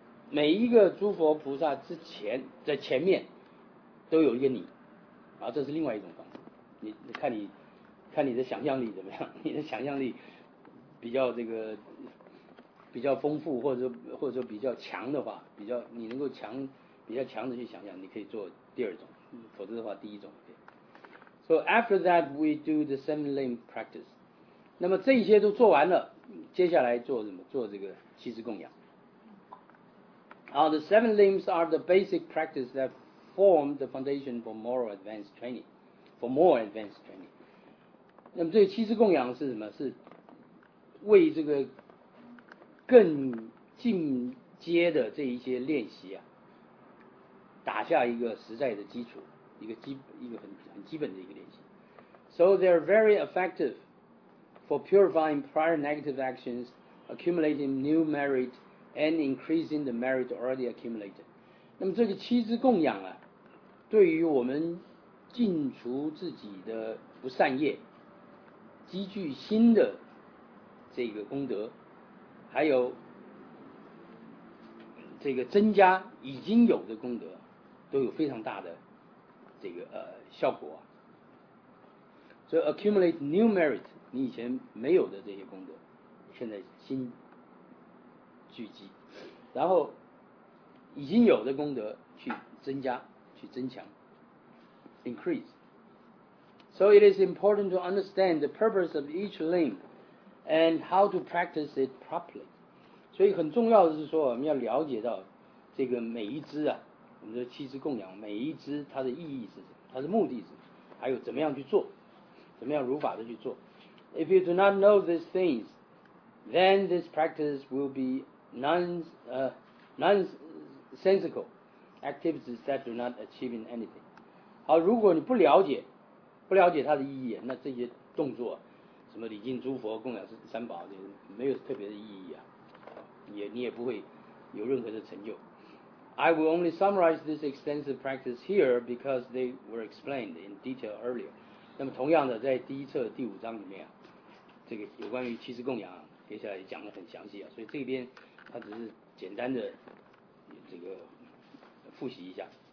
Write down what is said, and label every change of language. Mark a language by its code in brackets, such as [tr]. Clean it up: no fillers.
[zh] 每一个诸佛菩萨之前在前面都有一个你，然后这是另外一种方式，你看你的想象力怎么样，你的想象力比较这个比较丰富或者说比较强的话，比较强的去想象，你可以做第二种，否则的话第一种。 [en] So after that we do the seven limb practice. [zh] 那么这些都做完了，接下来做什么？做这个七支供养。 [en] The seven limbs are the basic practice that form the foundation for more advanced training. For more advanced training. [zh] 那么这个七支供养是什么？是为这个更进阶的这一些练习打下一个实在的基础，一个 很基本的一个练习。 [en] So they're very effective. For purifying prior negative actions, accumulating new merit, and increasing the merit already accumulated. [zh] 那么这个七支供养啊，对于我们净除自己的不善业，积聚新的这个功德，还有这个增加已经有的功德，都有非常大的这个效果。所以 [en] accumulate new merit， [zh] 你以前没有的这些功德，现在新聚集，然后已经有的功德去增加，去增强 [en] increase。 So it is important to understand the purpose of each limb and how to practice it properly。 [zh] 所以很重要的是说，我们要了解到这个每一支啊，我们的七支供养，每一支它的意义是什么，它的目的是什么，还有怎么样去做，怎么样如法的去做。 [en] If you do not know these things, then this practice will be nonsensical activities that do not achieve anything。 [zh] 好，如果你不了解它的意义，那这些动作什么礼敬诸佛、供养三宝，这没有特别的意义啊，你也不会有任何的成就。 [en] I will only summarize this extensive practice here because they were explained in detail earlier。 [zh] 那么同样的，在第一册第五章里面，这个有关于七支供养接下来也讲得很详细啊，所以这边他只是简单的这个复习一下。